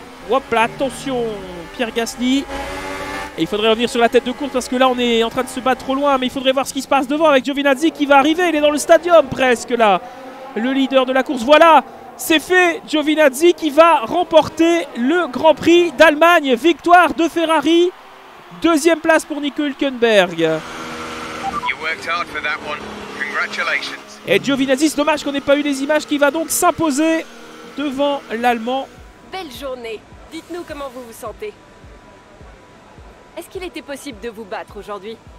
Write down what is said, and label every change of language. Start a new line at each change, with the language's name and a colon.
French: Hop là, attention, Pierre Gasly. Et il faudrait revenir sur la tête de course parce que là, on est en train de se battre trop loin. Mais il faudrait voir ce qui se passe devant avec Giovinazzi qui va arriver. Il est dans le stadium presque là, le leader de la course. Voilà, c'est fait, Giovinazzi qui va remporter le Grand Prix d'Allemagne. Victoire de Ferrari, deuxième place pour Nico Hülkenberg.
English: You worked hard for that one. Congratulations.
French: Et Giovinazzi, c'est dommage qu'on n'ait pas eu les images, qui va donc s'imposer devant l'Allemand. Belle journée. Dites-nous comment vous vous sentez. Est-ce qu'il était possible de vous battre aujourd'hui?